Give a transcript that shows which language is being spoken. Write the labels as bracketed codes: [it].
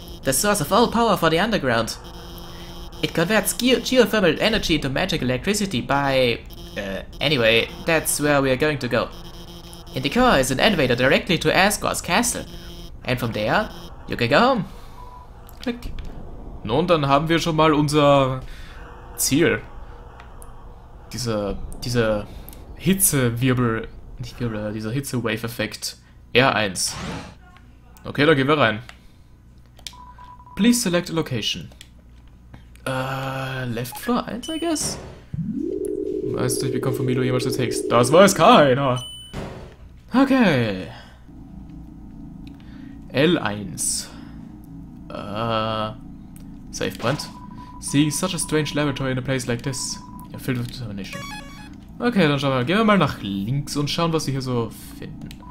[en] The source of all power for the underground. It converts geothermal energy to magic electricity by... anyway, that's where we are going to go. In the Core is an elevator directly to Asgore's castle. And from there, you can go home. Click. [de] Nun, dann haben wir schon mal unser Ziel. Dieser Hitzewirbel, nicht Wirbel, dieser Hitze-Wave-Effekt. R1. Okay, da gehen wir rein. [en] Please select a location. Left floor 1, I guess? [de] Weißt du, ich bekomme von Milo jemals den Text. Das weiß keiner! Okay. [en] L1. Safe point. Seeing such a strange laboratory in a place like this. You're filled with determination. [de] Okay, dann schauen wir mal. Gehen wir mal nach links und schauen, was wir hier so finden.